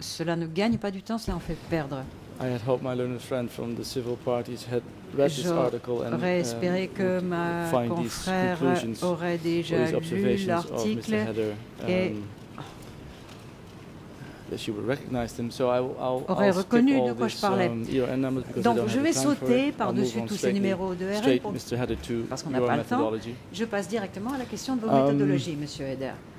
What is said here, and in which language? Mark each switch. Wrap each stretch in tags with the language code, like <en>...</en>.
<fr>Cela ne gagne pas du temps, cela en fait perdre.</fr> <en>I had hoped my learned friend from the civil parties had read this article and</en> <fr>j'aurais espéré que ma confrère aurait déjà lu l'article et</fr> <en>that she would recognize them. So</en> <fr>aurait reconnu de quoi je parlais. Donc je vais sauter par-dessus tous ces numéros de ERN parce qu'on n'a pas le temps. Je passe directement à la question de vos méthodologies, Monsieur Heder.</fr>